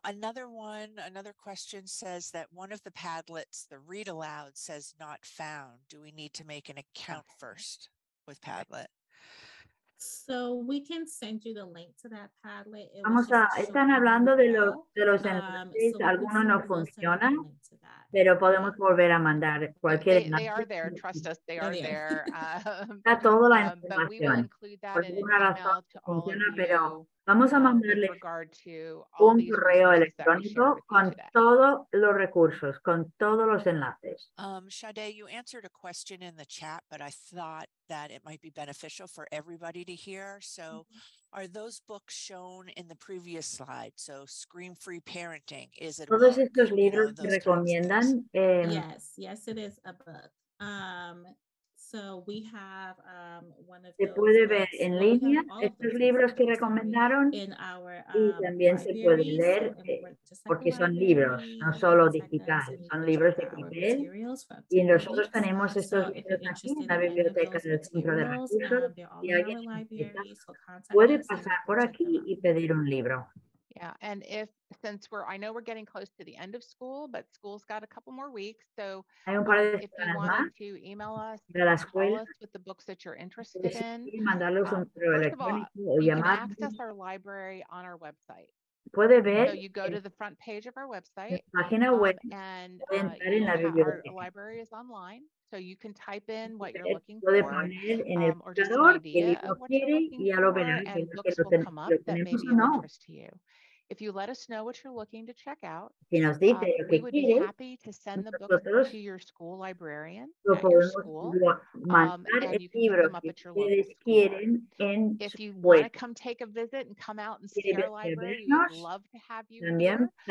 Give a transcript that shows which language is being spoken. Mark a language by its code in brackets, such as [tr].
[en] Another question says that one of the Padlets, the read aloud, says not found. Do we need to make an account first with Padlet? So we can send you the link to that Padlet. It [es] vamos a, están hablando de los enlaces. [en] So [es] algunos no funcionan, pero podemos volver a mandar cualquier. [en] They are there, trust us, they are there. [es] Está toda la información. Por alguna razón funciona, pero vamos a mandarle un correo electrónico con todos los recursos, con todos los enlaces. [en] Shade, you answered a question in the chat, but I thought that it might be beneficial for everybody to hear. So are those books shown in the previous slide? So Scream-Free Parenting, is it a [es] book? ¿Todos estos libros que recomiendan? [en] Yes, it is a book. So we have one of [es] se puede ver en línea estos libros que recomendaron y también se puede leer porque son libros, no solo digital, son libros de papel. Y nosotros tenemos estos libros aquí en la biblioteca del Centro de Recursos y alguien puede pasar por aquí y pedir un libro. [en] Yeah, and if since we're, I know we're getting close to the end of school, but school's got a couple more weeks, so [es] hay un par de [en] if you want to email us, call us with the books that you're interested in, [es] mandarlos un correo electrónico o llamar. [en] You can access our library on our website. [es] Puede ver. [en] So you go to the front page of our website. [es] Página web. [en] And our library is online, so you can type in what you're looking for. [es] Puede poner en el buscador que lo quiere y ya lo verá. [en] And books will come up that may be of interest to you. If you let us know what you're looking to check out, [es] si nos dice lo que [en] we would be happy to send the book to your school librarian at your school, and you can pick them up at your local school. If you want to come take a visit and come out and see our library, we would love to have you here.